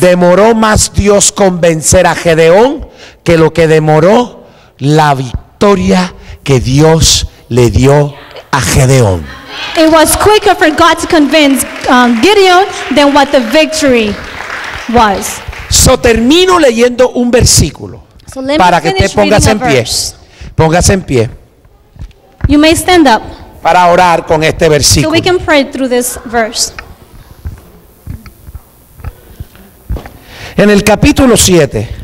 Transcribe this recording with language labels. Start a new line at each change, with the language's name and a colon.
Spanish: Demoró más Dios convencer a Gedeón que lo que demoró la victoria. Historia que Dios le dio a Gedeón.
English: It was quicker for God to convince Gideon than what the victory was.
Spanish: So termino leyendo un versículo para que te pongas en pie. Póngase en pie.
English: You may stand up.
Spanish: Para orar con este versículo.
English: So we can pray through this verse.
Spanish: En el capítulo 7.